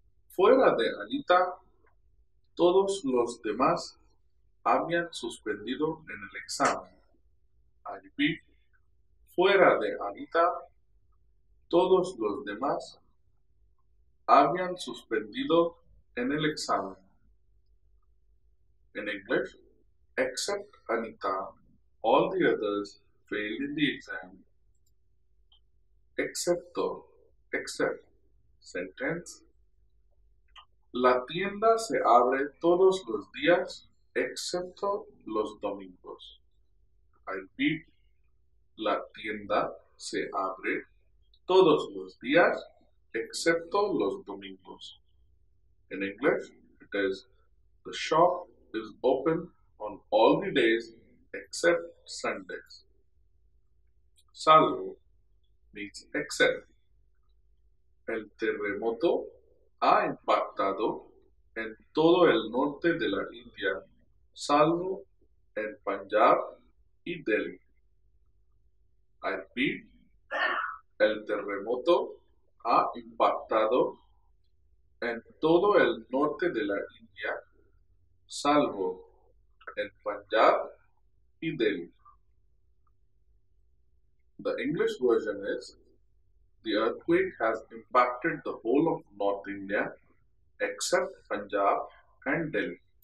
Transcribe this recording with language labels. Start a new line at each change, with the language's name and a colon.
Spanish: Fuera de Anita, todos los demás habían suspendido en el examen.
English: I repeat.
Spanish: Fuera de Anita, todos los demás habían suspendido en el examen.
English: In English, except Anita, all the others failed in the exam. Excepto, except. Sentence.
Spanish: La tienda se abre todos los días, excepto los domingos.
English: I repeat.
Spanish: La tienda se abre todos los días, excepto los domingos.
English: In English, it is, the shop is open on all the days except Sundays. Salvo means except.
Spanish: El terremoto ha impactado en todo el norte de la India, salvo en Punjab y Delhi.
English: I repeat,
Spanish: el terremoto ha impactado en todo el norte de la India, salvo en Punjab y Delhi.
English: The English version is, the earthquake has impacted the whole of North India except Punjab and Delhi.